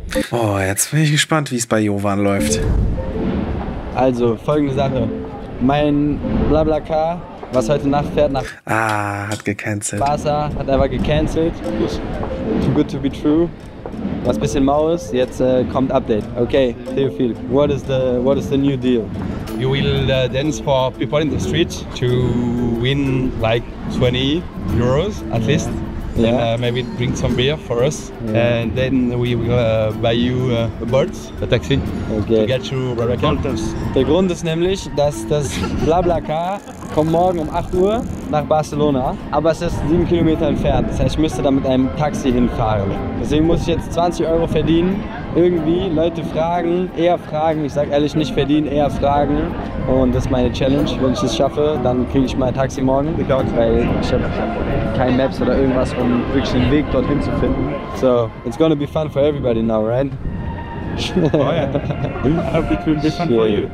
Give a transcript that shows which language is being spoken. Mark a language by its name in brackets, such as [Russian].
[German] Oh, jetzt bin ich gespannt, wie es bei Jovan läuft. Also, folgende Sache. Mein BlaBlaCar, was heute Nacht fährt nach... Ah, hat gecancelt. Barca hat einfach gecancelt. [English] Too good to be true. [German] Was ein bisschen mau ist, jetzt kommt Update. [English] Okay, Theophil, what is the new deal? You will dance for people in the street to win like 20 euros at least. Yeah, maybe bring some beer for us, yeah. And then we will buy you a boat, a taxi, okay, to get you Barbecue. [German] Der Grund ist nämlich, dass das BlaBlaCar kommt morgen um 8 Uhr nach Barcelona, aber es ist 7 Kilometer entfernt. Das heißt, ich müsste da mit einem Taxi hinfahren. Deswegen muss ich jetzt 20 Euro verdienen, irgendwie Leute fragen, eher fragen. Ich sag ehrlich, nicht verdienen, eher fragen. Und das ist meine Challenge. Wenn ich es schaffe, dann kriege ich mein Taxi morgen. Weil ich habe keine Maps oder irgendwas, um wirklich den Weg dorthin zu finden. [English] So, it's gonna be fun for everybody now, right? [German] Oh ja. [English] Yeah. I hope it will be fun for you.